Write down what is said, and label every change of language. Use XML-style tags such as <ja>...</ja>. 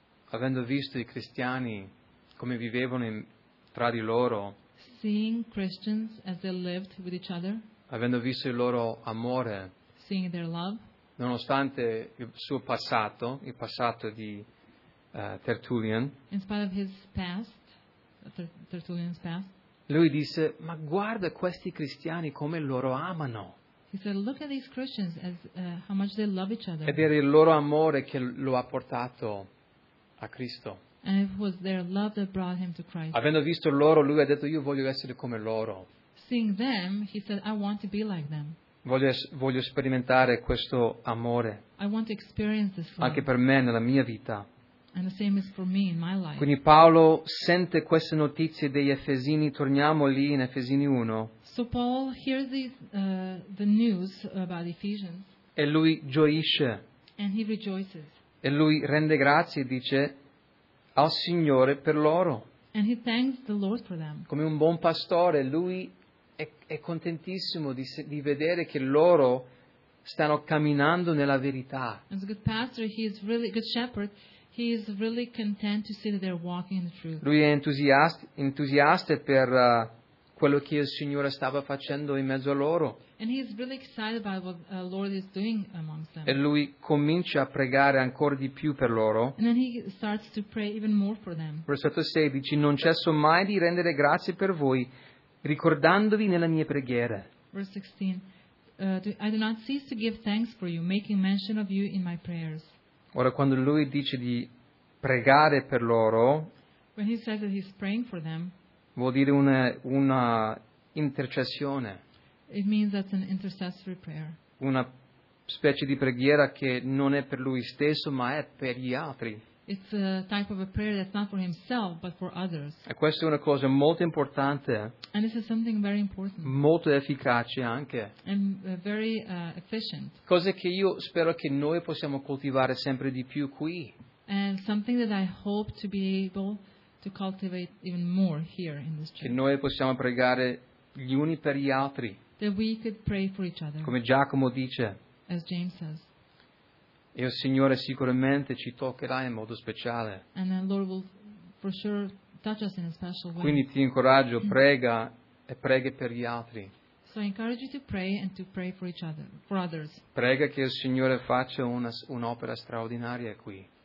<it>Avendo visto i cristiani come vivevano tra di loro,</it> <en>seeing Christians as they lived with each other,</en> <it>avendo visto il loro amore,</it> <en>seeing their love,</en> <it>nonostante il suo passato, il passato di Tertullian,</it> <en>in spite of his past, Tertullian's past,</en> <it>lui disse: ma guarda questi cristiani come loro amano.</it> <en>He said, look at these Christians as how much they love each other.</en> <it>Ed era il loro amore che lo ha portato a Cristo.</it> <en>And it was their love that brought him to Christ.</en> <it>Avendo visto loro, lui ha detto, io voglio essere come loro.</it> <en>Seeing them, he said, I want to be like them.</en> <it>Voglio sperimentare questo amore.</it> <en>I want to experience this love.</en> <it>Anche per me nella mia vita.</it> <en>And the same is for me in my life.</en> <it>Quindi Paolo sente queste notizie degli Efesini, torniamo lì in Efesini 1.</it> <en>So Paul hears the news about Ephesians.</en> <it>E lui gioisce.</it> <en>And he rejoices.</en> <it>E lui rende grazie e dice al Signore per loro.</it> <en>And he thanks the Lord for them.</en> <it>Come un buon pastore, lui è contentissimo di vedere che loro stanno camminando nella verità.</it> <en>As a good pastor, he is really a good shepherd. He is really content to see that they're walking in the truth.</en> <it>Lui è entusiasta per quello che il Signore stava facendo in mezzo a loro.</it> <en>And he is really excited about what the Lord is doing amongst them.</en> <it>E lui comincia a pregare ancora di più per loro.</it> <en>And then he starts to pray even more for them.</en> <it>Versetto 16: non cesso mai di rendere grazie per voi, ricordandovi nella mia preghiera.</it> <en>Verse 16: I do not cease to give thanks for you, making mention of you in my prayers.</en> <it>Ora, quando lui dice di pregare per loro,</it> <en>when he says that he's praying for them,</en> <it>vuol dire una intercessione.</it> <en>It means that's an intercessory prayer.</en> <it>Una specie di preghiera che non è per lui stesso, ma è per gli altri.</it> <en>It's a type of a prayer that's not for himself, but for others.</en> <it>E questa è una cosa molto importante.</it> <en>And this is something very important.</en> <it>Molto efficace anche.</it> <en>And very efficient.</en> <it>Cose che io spero che noi possiamo coltivare sempre di più qui.</it> <en>And something that I hope to be able to cultivate even more here in this church.</en> <it>Che noi possiamo pregare gli uni per gli altri.</it> <en>That we could pray for each other.</en> <it>Come Giacomo dice.</it> <en>As James says.</en> <it>E il Signore sicuramente ci toccherà in modo speciale.</it> <en>And the Lord will for sure touch us in a special way.</en> <it>Quindi ti incoraggio, prega e preghi per gli altri.</it> <en>So I encourage you to pray and to pray for each other, for others.</en> <it>Prega che il Signore faccia un'opera straordinaria qui.</it>